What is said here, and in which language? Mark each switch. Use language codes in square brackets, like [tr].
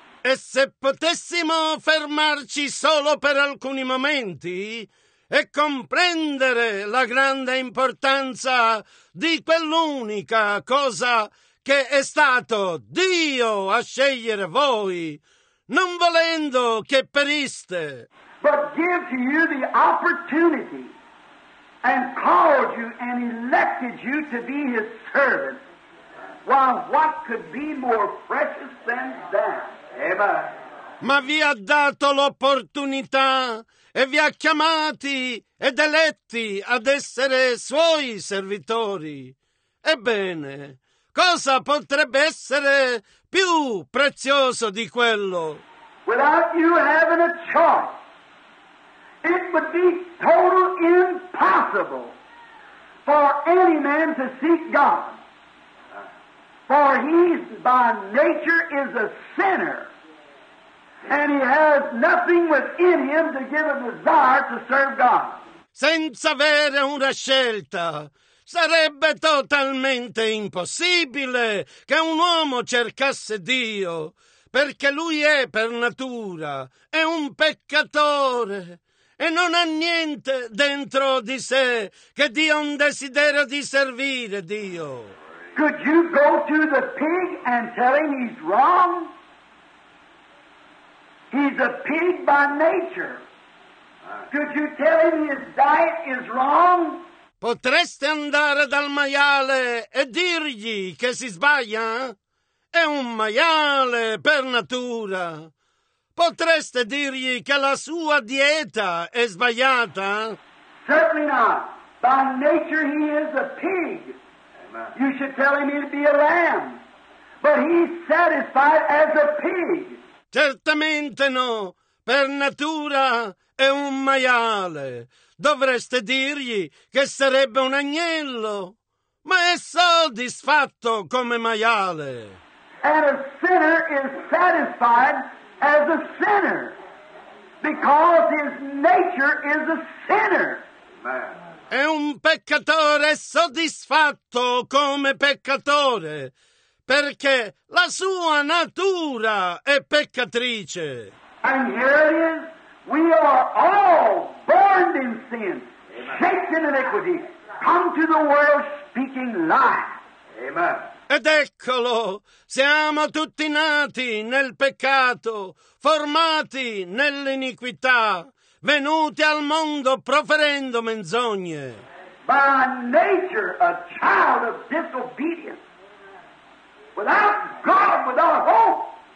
[it] E se potessimo fermarci solo per alcuni momenti e comprendere la grande importanza di quell'unica cosa che è stato Dio a scegliere voi, non volendo che periste. [en] But give to you the opportunity and called you and elected you to be his servant. Why, what could be more precious than that? Eva. [it] Ma vi ha dato l'opportunità e vi ha chiamati ed eletti ad essere suoi servitori. Ebbene, cosa potrebbe essere più prezioso di quello? [en] Without you having a choice, it would be total impossible for any man to seek God. For he by nature is a sinner, and he has nothing within him to give a desire to serve God. [it] Senza avere una scelta, sarebbe totalmente impossibile che un uomo cercasse Dio, perché lui è per natura, è un peccatore, e non ha niente dentro di sé che dia un desiderio di servire Dio. [en] Could you go to the pig and tell him he's wrong? He's a pig by nature. Could you tell him his diet is wrong? [it] Potreste andare dal maiale e dirgli che si sbaglia? È un maiale per natura. Potreste dirgli che la sua dieta è sbagliata? [en] Certainly not. By nature he is a pig. You should tell him he'd be a lamb. But he's satisfied as a pig. [it] Certamente no. Per natura è un maiale. Dovreste dirgli che sarebbe un agnello, ma è soddisfatto come maiale. [en] And a sinner is satisfied as a sinner, because his nature is a sinner. [it] È un peccatore soddisfatto come peccatore, perché la sua natura è peccatrice. [en] And here it is. We are all born in sin, shaped in iniquity, come to the world speaking lies. Amen. [it] Ed eccolo, siamo tutti nati nel peccato, formati nell'iniquità, venuti al mondo proferendo menzogne. [en] By nature, a child of disobedience, without God, without hope.